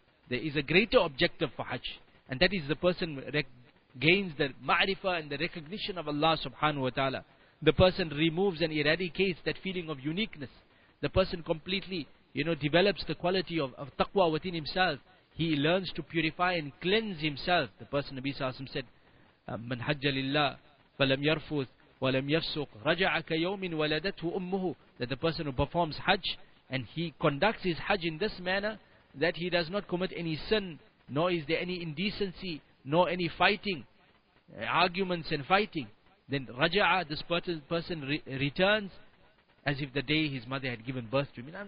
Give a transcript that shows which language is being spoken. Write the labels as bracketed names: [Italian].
[English] There is a greater objective for Hajj, and that is the person gains the ma'rifah and the recognition of Allah subhanahu wa ta'ala. The person removes and eradicates that feeling of uniqueness. The person completely, you know, develops the quality of taqwa within himself. He learns to purify and cleanse himself. The person, Nabi sallallahu alayhi wa sallam, said, [Arabic] مَنْ حَجَّ لِلَّهِ فَلَمْ يَرْفُثْ وَلَمْ يَفْسُقْ رَجَعَكَ يَوْمٍ وَلَدَتْهُ أُمُّهُ. [English] That the person who performs Hajj, and he conducts his Hajj in this manner, that he does not commit any sin, nor is there any indecency, nor any fighting, arguments and fighting, then raja'a, this person returns as if the day his mother had given birth to him.